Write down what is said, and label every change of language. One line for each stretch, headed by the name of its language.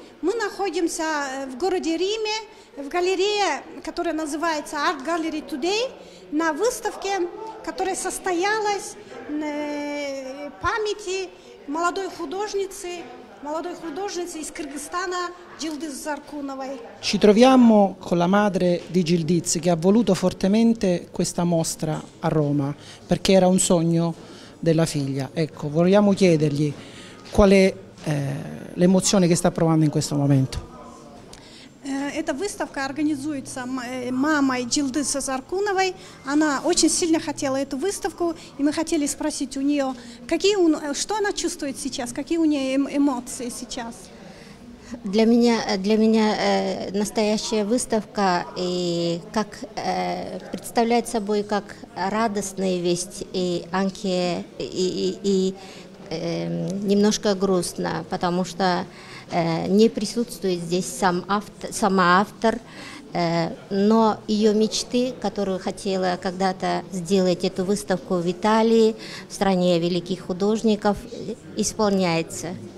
Russian: Мы находимся в городе Риме, в галерее, которая называется Art Gallery Today, на выставке, которая состоялась в памяти молодой художницы из Кыргызстана Джилдиз Заркуновой.
Italian: Ci troviamo con la madre di Gildiz che ha voluto fortemente questa mostra a Roma perché era un sogno della figlia. Ecco, vogliamo chiedergli qual è l'emozione che sta provando in questo momento.
Russian: Эта выставка организуется мамой Джилдиз Заркуновой. Она очень сильно хотела эту выставку, и мы хотели спросить у нее, что она чувствует сейчас, какие у нее эмоции сейчас. Для меня настоящая выставка и как представляет собой как радостная весть и Анке и немножко грустно, потому что не присутствует здесь сама автор, но ее мечты, которую хотела когда-то сделать эту выставку в Италии, в стране великих художников, исполняется.